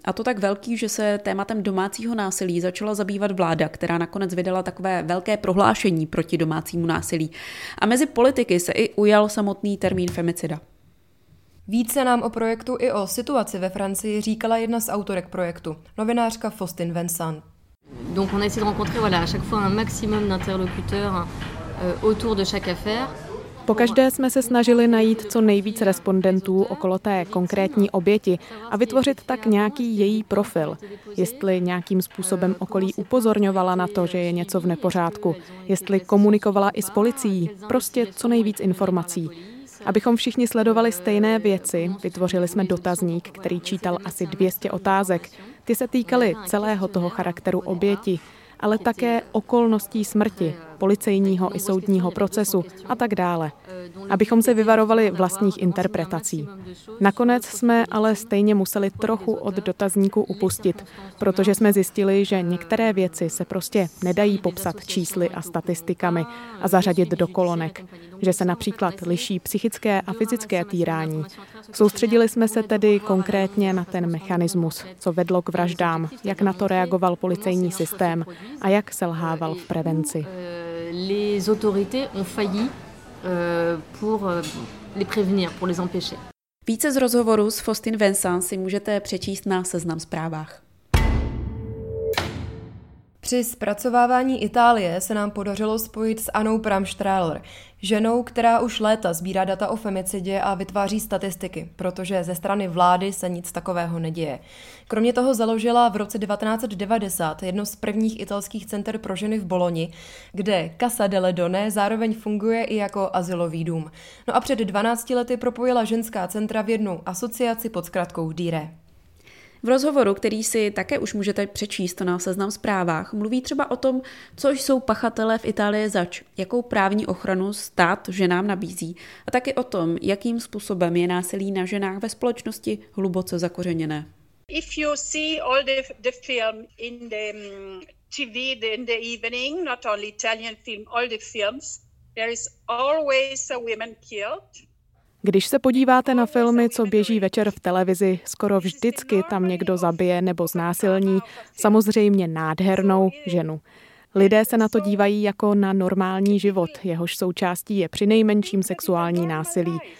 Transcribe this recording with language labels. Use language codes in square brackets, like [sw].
[cs] A to tak velký, že se tématem domácího násilí začala zabývat vláda, která nakonec vydala takové velké prohlášení proti domácímu násilí. A mezi politiky se i ujal samotný termín femicida. Více nám o projektu i o situaci ve Francii říkala jedna z autorek projektu, novinářka Faustin Vincent. [fr] Donc on a essayé de rencontrer voilà à chaque fois un maximum d'interlocuteurs autour de chaque affaire. [cs] Pokaždé jsme se snažili najít co nejvíc respondentů okolo té konkrétní oběti a vytvořit tak nějaký její profil. Jestli nějakým způsobem okolí upozorňovala na to, že je něco v nepořádku, jestli komunikovala i s policií, prostě co nejvíc informací. Abychom všichni sledovali stejné věci, vytvořili jsme dotazník, který čítal asi 200 otázek. Ty se týkaly celého toho charakteru oběti, ale také okolností smrti, policejního i soudního procesu a tak dále. Abychom se vyvarovali vlastních interpretací. Nakonec jsme ale stejně museli trochu od dotazníku upustit, protože jsme zjistili, že některé věci se prostě nedají popsat čísly a statistikami a zařadit do kolonek, že se například liší psychické a fyzické týrání. Soustředili jsme se tedy konkrétně na ten mechanismus, co vedlo k vraždám, jak na to reagoval policejní systém a jak selhával v prevenci. [fr] Les autorités ont failli pour les prévenir, pour les empêcher. [cs] Více z rozhovoru s Faustin Vincent si můžete přečíst na Seznam zprávách. Při zpracovávání Itálie se nám podařilo spojit s Annou Pramstrahler, ženou, která už léta sbírá data o femicidě a vytváří statistiky, protože ze strany vlády se nic takového neděje. Kromě toho založila v roce 1990 jedno z prvních italských center pro ženy v Bologni, kde Casa delle Donne zároveň funguje i jako azylový dům. No a před 12 lety propojila ženská centra v jednu asociaci pod zkratkou DIRE. V rozhovoru, který si také už můžete přečíst na Seznam zprávách, mluví třeba o tom, co jsou pachatelé v Itálii zač, jakou právní ochranu stát ženám nabízí a taky o tom, jakým způsobem je násilí na ženách ve společnosti hluboce zakořeněné. [en] If you see all the film in the TV in the evening, not only Italian film, all the films, there is always a woman killed. [cs] Když se podíváte na filmy, co běží večer v televizi, skoro vždycky tam někdo zabije nebo znásilní, samozřejmě nádhernou ženu. Lidé se na to dívají jako na normální život, jehož součástí je přinejmenším sexuální násilí.